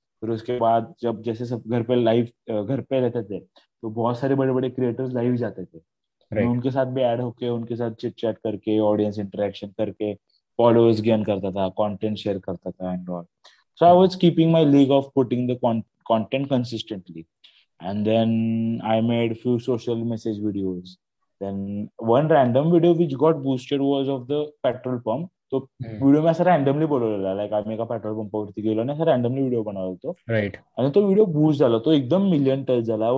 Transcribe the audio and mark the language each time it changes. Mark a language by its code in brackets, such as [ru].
[hi] फिर उसके बाद जब जैसे सब घर पे लाइव घर पे रहते थे तो बहुत सारे बड़े बड़े क्रिएटर्स लाइव जाते थे, मैं उनके साथ भी ऐड होके उनके साथ चिट चैट करके ऑडियंस इंटरेक्शन करके फॉलोअर्स गेन करता था, कॉन्टेंट शेयर करता था and all. [en] So I was keeping my league of putting the content consistently. And then I made few social message videos. Then one random video which got boosted was of the petrol pump. [mr] तो video मी असं randomly बोलवलेला, like आम्ही एका petrol पंपावरती गेलो आणि असं randomly video बनवला होतो, आणि तो व्हिडिओ बूस्ट झाला, तो एकदम मिलियन टच झाला।